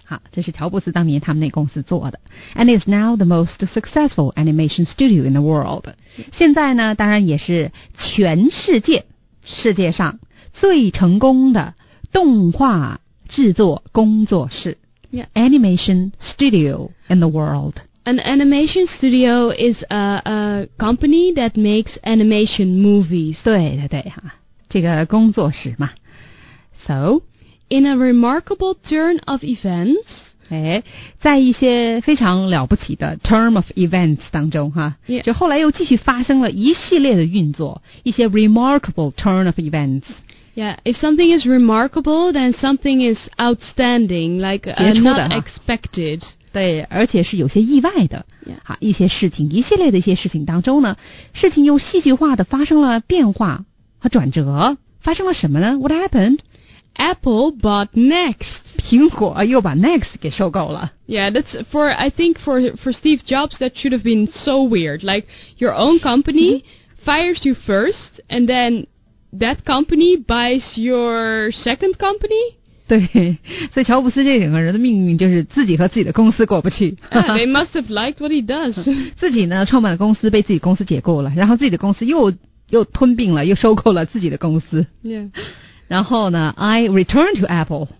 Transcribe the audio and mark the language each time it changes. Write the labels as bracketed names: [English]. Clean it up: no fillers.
[Chinese] 好，这是乔布斯当年他们那公司做的。 [English] And is now the most successful animation studio in the world. [Chinese] 现在呢，当然也是全世界上最成功的。动画制作工作室、 [English] yeah. Animation studio in the world. An animation studio is a company that makes animation movies. [Chinese] 对对对、啊、这个工作室嘛。 [English] So in a remarkable turn of events、 [Chinese] 哎、在一些非常了不起的 [English] turn of events [Chinese] 当中、啊 [English] yeah. [Chinese] 就后来又继续发生了一系列的运作，一些 [English] remarkable turn of events Yeah, if something is remarkable, then something is outstanding, like not expected. [Chinese] 对，而且是有些意外的。 [English] Yeah. [Chinese] 好，一些事情，一系列的一些事情当中呢，事情又戏剧化的发生了变化和转折。发生了什么呢 ？ [English] What happened? Apple bought Next. [Chinese] 苹果又把 Next 给收购了。 [English] Yeah, that's I think for Steve Jobs, that should have been so weird. Like your own company fires you first, and then. That company buys your second company? [Chinese] 对，所以乔布斯这两个人的命运就是自己和自己的公司过不去。 [English] They must have liked what he does. [Chinese] 自己呢创办的公司被自己公司解雇了，然后自己的公司又吞并了，又收购了自己的公司。 [English] Yeah. [Chinese] 然后呢 [English] ，I returned to Apple.